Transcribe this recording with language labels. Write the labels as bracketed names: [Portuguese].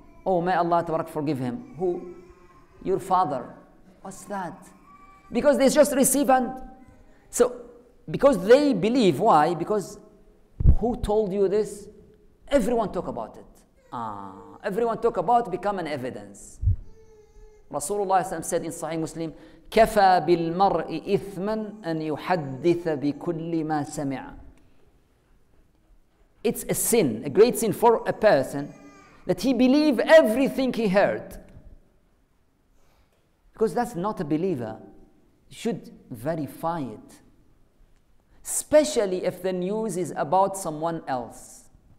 [English] May Allah tabarak forgive him. Who? Your father. What's that? Because they just receive and... So, because they believe. Why? Because who told you this? Everyone talk about it. Everyone talk about it, become an evidence. Rasulullah said in Sahih Muslim, [Arabic] كَفَى بِالْمَرْءِ إِثْمًا أَنْ يُحَدِّثَ بِكُلِّ مَا سَمِعَ. [English] It's a sin, a great sin for a person that he believe everything he heard. Because that's not a believer. You should verify it. Especially if the news is about someone else.